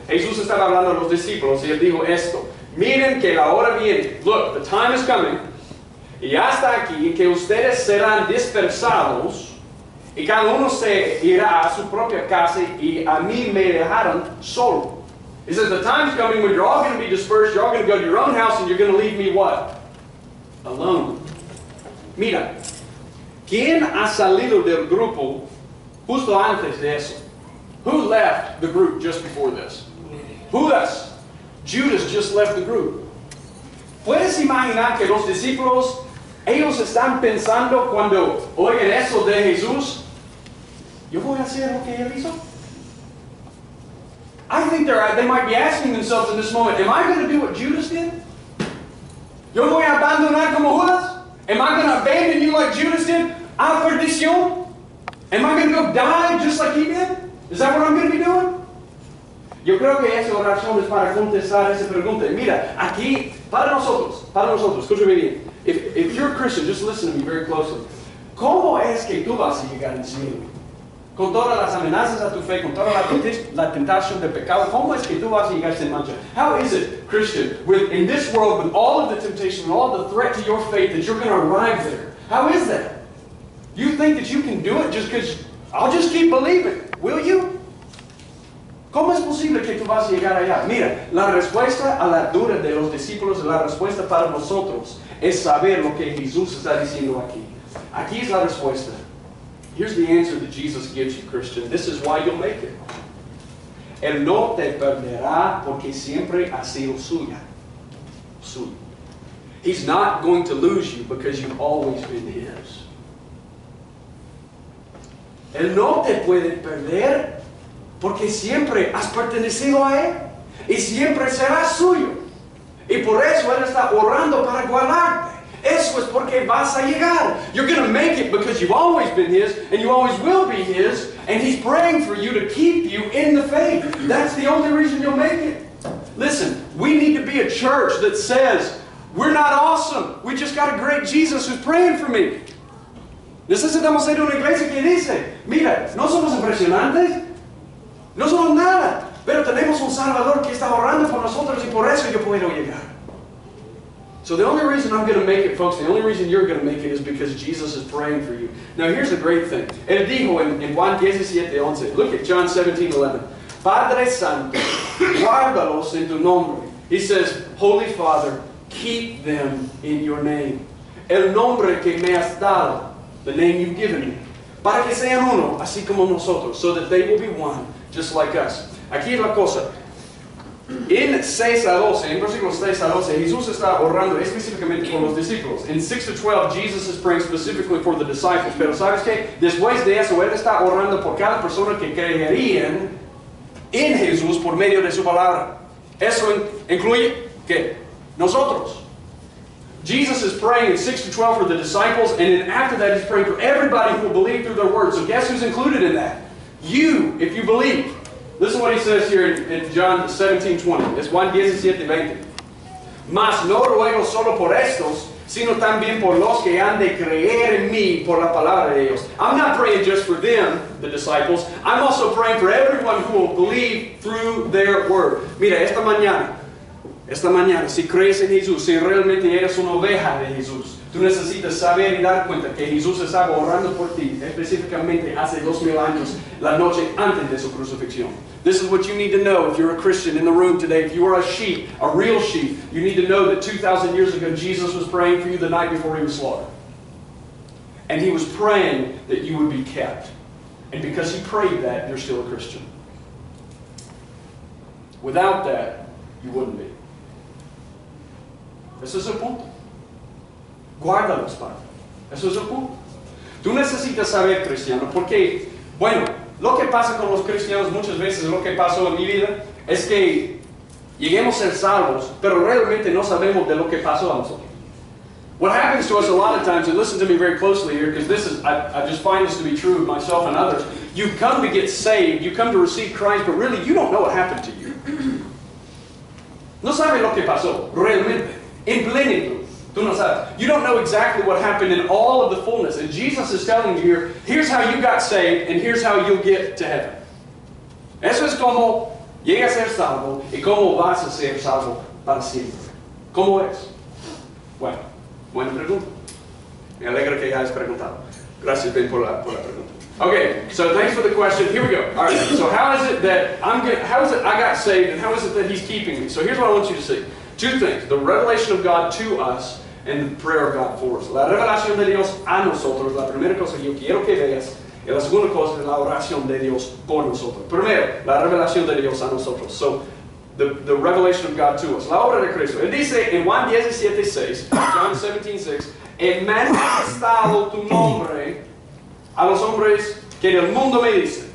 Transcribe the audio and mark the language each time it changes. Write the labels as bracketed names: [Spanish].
[Spanish] Jesús estaba hablando a los discípulos y él dijo esto. Miren que la hora viene. [English] Look, the time is coming. [Spanish] Y hasta aquí que ustedes serán dispersados y cada uno se irá a su propia casa y a mí me dejarán solo. [English] He says, the time is coming when you're all going to be dispersed, you're all going to go to your own house, and you're going to leave me what? Alone. [Spanish] Mira, ¿quién ha salido del grupo justo antes de eso? [English] Who left the group just before this? Judas. Judas just left the group. [Spanish] ¿Puedes imaginar que los discípulos, ellos están pensando cuando oyen eso de Jesús? ¿Yo voy a hacer lo que él hizo? [English] I think they might be asking themselves in this moment, am I going to do what Judas did? [Spanish] ¿Yo voy a abandonar como Judas? [English] Am I going to abandon you like Judas did? [Spanish] ¿A perdición? [English] Am I going to go die just like he did? Is that what I'm going to be doing? [Spanish] Yo creo que esa oración es para contestar esa pregunta. Mira, aquí, para nosotros, escúchame bien. [English] If you're a Christian, just listen to me very closely. [Spanish] ¿Cómo es que tú vas a llegar al cielo? Con todas las amenazas a tu fe, con toda la tentación de pecado, ¿cómo es que tú vas a llegar sin mancha? [English] How is it, Christian, in this world, with all of the temptation, and all the threat to your faith, that you're going to arrive there? How is that? You think that you can do it just because, I'll just keep believing, will you? [Spanish] ¿Cómo es posible que tú vas a llegar allá? Mira, la respuesta a la duda de los discípulos, la respuesta para nosotros, es saber lo que Jesús está diciendo aquí. Aquí es la respuesta. [English] Here's the answer that Jesus gives you, Christian. This is why you'll make it. [Spanish] Él no te perderá porque siempre ha sido suya. Suya. [English] He's not going to lose you because you've always been His. [Spanish] Él no te puede perder porque siempre has pertenecido a Él. Y siempre serás suyo. Y por eso Él está orando para guardarte. Eso es porque vas a llegar. [English] You're going to make it because you've always been His and you always will be His, and He's praying for you to keep you in the faith. That's the only reason you'll make it. Listen, we need to be a church that says, we're not awesome. We just got a great Jesus who's praying for me. [Spanish] Necesitamos ser una iglesia que dice, mira, no somos impresionantes. No somos nada. Pero tenemos un Salvador que está orando por nosotros y por eso yo puedo llegar. [English] So the only reason I'm going to make it, folks, the only reason you're going to make it is because Jesus is praying for you. Now here's the great thing. [Spanish] Él dijo en Juan 17, 11. [English] Look at John 17, 11. [Spanish] Padre Santo, guárdalos en tu nombre. [English] He says, Holy Father, keep them in your name. [Spanish] El nombre que me has dado, [English] the name you've given me. [Spanish] Para que sean uno, así como nosotros. [English] So that they will be one, just like us. [Spanish] Aquí es la cosa. En 6 a 12, en versículos 6 a 12, Jesús está orando específicamente por los discípulos. [English] En 6 to 12, Jesus is praying specifically for the disciples. [Spanish] Pero ¿sabes qué? Después de eso, Él está orando por cada persona que creerían en Jesús por medio de su palabra. Eso incluye, ¿qué? Nosotros. [English] Jesus is praying in 6 to 12 for the disciples, and then after that, He's praying for everybody who will believe through their word. So guess who's included in that? You, if you believe. Listen to what he says here in John 17:20. [Spanish] Es Juan 17:20. Mas no ruego solo por estos, sino también por los que han de creer en mí por la palabra de ellos. [English] I'm not praying just for them, the disciples. I'm also praying for everyone who will believe through their word. [Spanish] Mira, esta mañana, si crees en Jesús, si realmente eres una oveja de Jesús, tú necesitas saber y dar cuenta que Jesús estaba orando por ti, específicamente hace 2,000 años, la noche antes de su crucifixión. [English] This is what you need to know if you're a Christian in the room today. If you are a sheep, a real sheep, you need to know that 2,000 years ago, Jesus was praying for you the night before he was slaughtered. And he was praying that you would be kept. And because he prayed that, you're still a Christian. Without that, you wouldn't be. [Spanish] Eso es el punto. Guárdalos, Padre. Eso es el punto. Tú necesitas saber, cristiano, porque, bueno, lo que pasa con los cristianos muchas veces, lo que pasó en mi vida, es que lleguemos a ser salvos, pero realmente no sabemos de lo que pasó a nosotros. [English] What happens to us a lot of times, and listen to me very closely here, because this is, I just find this to be true of myself and others, you come to get saved, you come to receive Christ, but really you don't know what happened to you. [Spanish] No sabes lo que pasó, realmente. En plenitud. Tú no sabes. [English] You don't know exactly what happened in all of the fullness. And Jesus is telling you here, here's how you got saved, and here's how you'll get to heaven. [Spanish] Eso es como llegas a ser salvo, y como vas a ser salvo para siempre. ¿Cómo es? Bueno, buena pregunta. Me alegro que hayas preguntado. Gracias, Ben, por la pregunta. [English] Okay, so thanks for the question. Here we go. All right, so how is it I got saved, and how is it that he's keeping me? So here's what I want you to see. Two things, the revelation of God to us and the prayer of God for us. [Spanish] La revelación de Dios a nosotros, la primera cosa que yo quiero que veas, y la segunda cosa es la oración de Dios por nosotros. Primero, la revelación de Dios a nosotros. [English] So, the revelation of God to us. [Spanish] La obra de Cristo. Él dice en Juan 17:6, John 17:6, he manifestado tu nombre a los hombres que el mundo me dice.